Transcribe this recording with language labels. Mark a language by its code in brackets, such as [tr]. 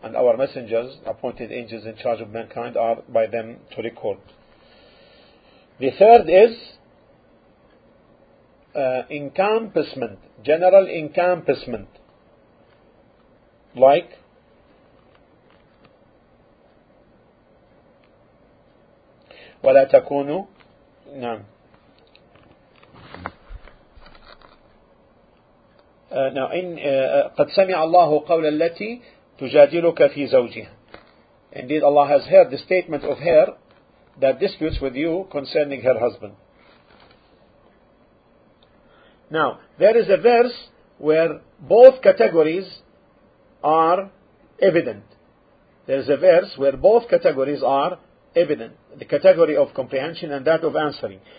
[en] And our messengers, appointed angels in charge of mankind, are by them to record. The third is encompassment, general encompassment, like [ar] ولا تكونوا نعم نعم إن قد سمع الله قول التي تجادلك في زوجها. [en] Indeed, Allah has heard the statement of her that disputes with you concerning her husband. Now, there is a verse where both categories are evident. The category of comprehension and that of answering.